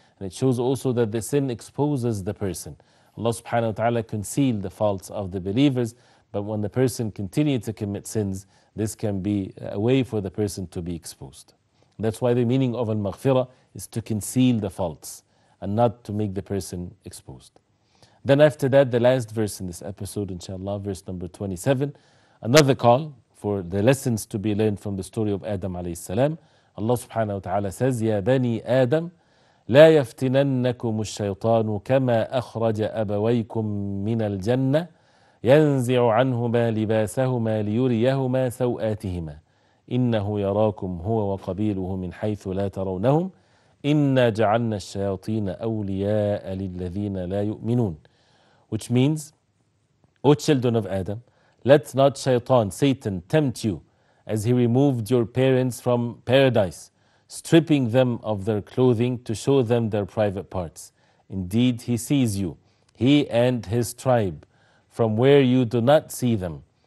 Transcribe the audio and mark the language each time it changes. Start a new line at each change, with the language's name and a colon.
English: And it shows also that the sin exposes the person. Allah subhanahu wa ta'ala concealed the faults of the believers, but when the person continued to commit sins, this can be a way for the person to be exposed. That's why the meaning of al-maghfirah is to conceal the faults and not to make the person exposed. Then after that, the last verse in this episode, inshallah, verse number 27, another call for the lessons to be learned from the story of Adam alayhi salam. Allah subhanahu wa ta'ala says, Ya Bani Adam,
Arabic: لا يفتننكم الشيطان كما أخرج أبويكم من الجنة ينزع عنهما لباسهما ليريهما سوآتهما إنه يراكم هو وقبيله من حيث لا ترونهم إنا جعلنا الشياطين أولياء للذين لا يؤمنون.
English: Which means, O children of Adam, let not Shaytan, Satan, tempt you as he removed your parents from paradise, stripping them of their clothing to show them their private parts. Indeed, he sees you, he and his tribe, from where you do not see them.